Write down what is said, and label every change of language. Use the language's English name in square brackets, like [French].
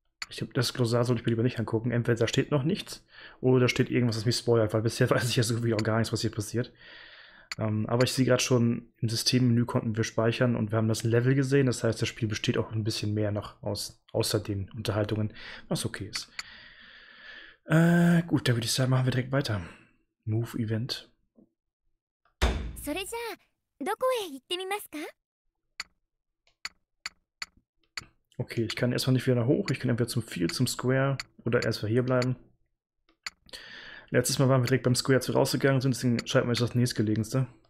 [German] Ich glaube, das Glossar sollte ich mir lieber nicht angucken. Entweder da steht noch nichts oder da steht irgendwas, was mich spoilert, weil bisher weiß ich ja sowieso auch gar nichts, was hier passiert. Aber ich sehe gerade schon, im Systemmenü konnten wir speichern und wir haben das Level gesehen. Das heißt, das Spiel besteht auch ein bisschen mehr noch außer den Unterhaltungen, was okay ist. Gut, dann würde ich sagen, machen wir direkt weiter. [English] Move Event. [Japanese] それじゃあ、どこへ行ってみますか? [German] Okay, ich kann erstmal nicht wieder nach hoch. Ich kann entweder zum Field, zum Square oder erstmal hier bleiben. Letztes Mal waren wir direkt beim Square 2 rausgegangen, deswegen scheint mir das nächstgelegenste.